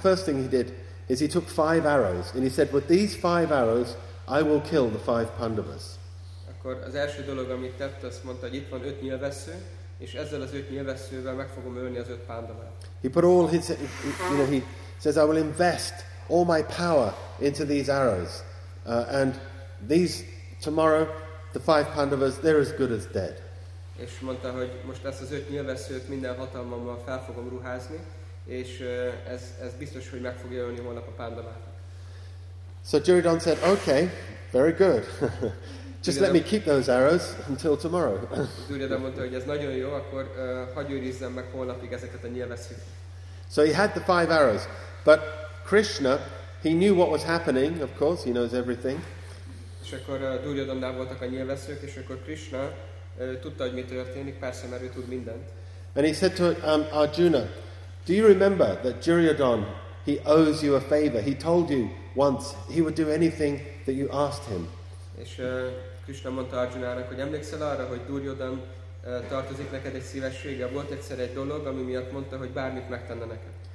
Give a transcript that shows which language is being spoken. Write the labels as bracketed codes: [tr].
[en] First thing he did is he took 5 arrows. And he said, with these 5 arrows, I will kill the 5 Pandavas. [hu] Akkor az első dolog, amit tett, azt mondta, hogy itt van 5 nyilvessző, és ezzel az 5 nyilvesszővel meg fogom ölni az 5 Pandavát. [en] He put all his, he says, I will invest all my power into these arrows. And these... Tomorrow, the 5 Pandavas, they're as good as dead. [hu] És mondta, hogy most ezt az 5 nyilvesszőt minden hatalmammal fel fogom ruházni, és ez biztos, hogy meg fogja ölni holnap a Pandavákat. [en] So Duryodhan said, okay, very good. Just let me keep those arrows until tomorrow. [hu] Duryodhan mondta, hogy ez nagyon jó, akkor hagyj őrizzem meg holnapig ezeket a nyilvesszőt. [en] So he had the 5 arrows, but Krishna, he knew what was happening, of course, he knows everything. [hu] És akkor Duryodhannál voltak a nyilvesszők, és akkor Krishna tudta, hogy mi történik, persze, mert ő tud mindent. [en] And he said to Arjuna, do you remember that Duryodhan, he owes you a favor? He told you once he would do anything that you asked him. [hu] És Krishna mondta Arjunának, hogy emlékszel arra, hogy Duryodhan tartozik neked egy szívességgel? Volt egyszer egy dolog, ami miatt mondta, hogy bármit megtenne neked.